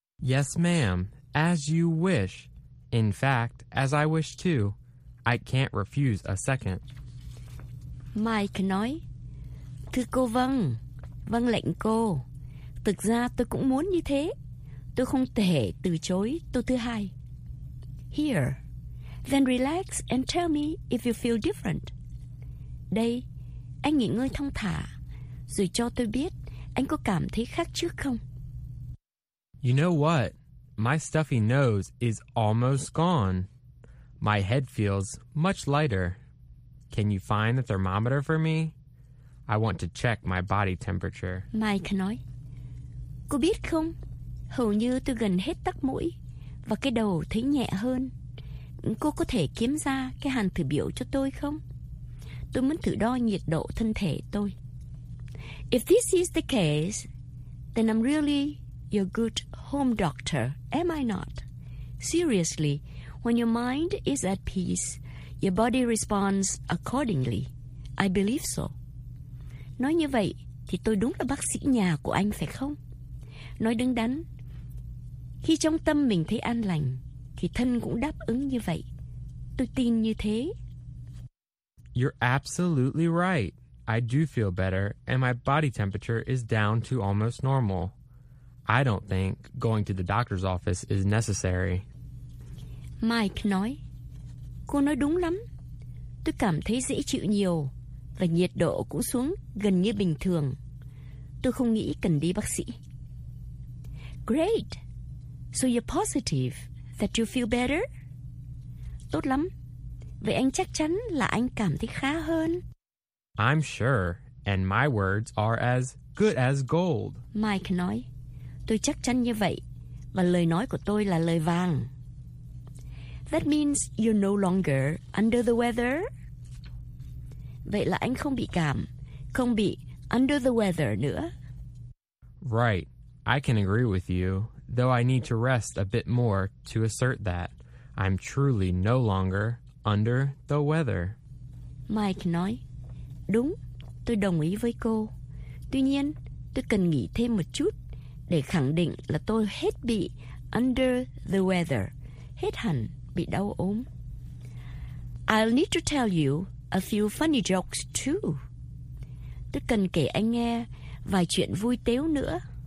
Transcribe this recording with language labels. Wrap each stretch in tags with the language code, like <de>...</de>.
<en>Yes, ma'am. As you wish. In fact, as I wish too. I can't refuse a second.</en> <vi>Mike nói, Thưa cô vâng, vâng lệnh cô. Thực ra tôi cũng muốn như thế. Tôi không thể từ chối tôi thứ hai.</vi> <en>Here, then relax and tell me if you feel different.</en> <vi>Đây, anh nghỉ ngơi thong thả, rồi cho tôi biết anh có cảm thấy khác trước không?</vi> <en>You know what? My stuffy nose is almost gone. My head feels much lighter. Can you find the thermometer for me? I want to check my body temperature.</en> <vi>Mike nói, Cô biết không, hầu như tôi gần hết tắc mũi và cái đầu thấy nhẹ hơn. Cô có thể kiếm ra cái hàn thử biểu cho tôi không? Tôi muốn thử đo nhiệt độ thân thể tôi.</vi> <en>If this is the case, then I'm really your good home doctor, am I not? Seriously, when your mind is at peace, your body responds accordingly. I believe so.</en> <vi>Nói như vậy thì tôi đúng là bác sĩ nhà của anh phải không? Nói đứng đắn, khi trong tâm mình thấy an lành, thì thân cũng đáp ứng như vậy. Tôi tin như thế.</vi> <en>You're absolutely right. I do feel better, and my body temperature is down to almost normal. I don't think going to the doctor's office is necessary.</en> <vi>Mike nói, Cô nói đúng lắm. Tôi cảm thấy dễ chịu nhiều, và nhiệt độ cũng xuống gần như bình thường. Tôi không nghĩ cần đi bác sĩ.</vi> <en>Great. So you're positive that you feel better?</en> <vi>Tốt lắm. Vậy anh chắc chắn là anh cảm thấy khá hơn.</vi> <en>I'm sure, and my words are as good as gold.</en> <vi>Mike nói, Tôi chắc chắn như vậy, và lời nói của tôi là lời vàng.</vi> <en>That means you're no longer under the weather.</en> <vi>Vậy là anh không bị cảm, không bị</vi> <en>under the weather</en> <vi>nữa.</vi> <en>Right. I can agree with you, though I need to rest a bit more to assert that. I'm truly no longer under the weather.</en> <vi>Mike nói, Đúng, tôi đồng ý với cô. Tuy nhiên, tôi cần nghỉ thêm một chút để khẳng định là tôi hết bị</vi> <en>under the weather,</en> <vi>hết hẳn bị đau ốm.</vi> <en>I'll need to tell you a few funny jokes too.</en> <vi>Tôi cần kể anh nghe vài chuyện vui tếu nữa.</vi>